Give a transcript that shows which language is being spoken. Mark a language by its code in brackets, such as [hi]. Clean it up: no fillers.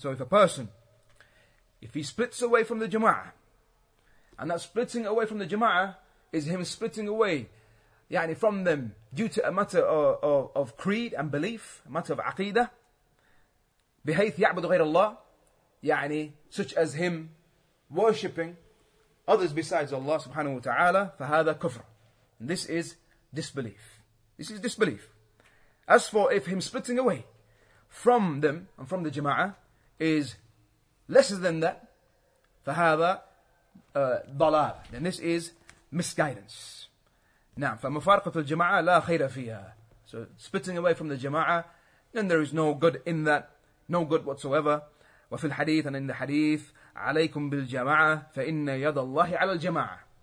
[en] So if a person, if he splits away from the jama'ah, and that splitting away from the jama'ah is him splitting away يعني from them due to a matter of creed and belief, a matter of aqeedah, [ar] بِهَيْثْ يَعْبُدْ غَيْرَ اللَّهِ, [en] يعني such as him worshipping others besides Allah subhanahu wa ta'ala, [ar] فهذا كفر. [en] This is disbelief. This is disbelief. As for if him splitting away from them and from the jama'ah is lesser than that, [ar] فهذا ضلال. [en] Then this is misguidance. [ar] نعم فمفارقة الجماعة لا خير فيها. [en] So splitting away from the jama'ah, then there is no good in that. No good whatsoever. [ar] وفي الحديث [en] and in the hadith, [ar] عليكم بالجماعة فإن يد الله على الجماعة.